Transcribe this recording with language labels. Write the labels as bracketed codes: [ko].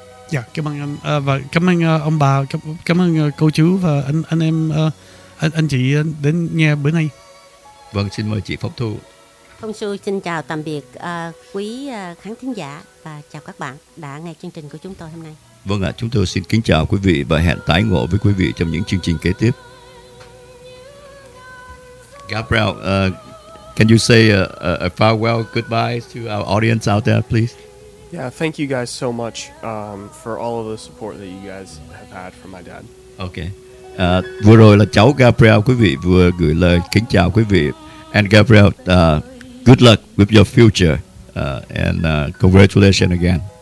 [vi] Dạ, cảm ơn anh và cảm ơn ông bà, cảm ơn cô chú và anh em anh chị đến nghe bữa nay. Vâng, xin mời chị Phong Thu. Phong Thu xin chào tạm biệt quý khán thính giả và chào các bạn đã nghe chương trình của chúng tôi hôm nay. Vâng ạ, chúng tôi xin kính chào quý vị và hẹn tái ngộ với quý vị trong những chương trình kế tiếp. [en] Gabriel, can you say a farewell goodbye to our audience out there, please? Yeah, thank you guys so much for all of the support that you guys have had from my dad. Okay. [vi] Vừa rồi là cháu Gabriel, quý vị vừa gửi lời kính chào quý vị. [en] And Gabriel, good luck with your future and congratulations again.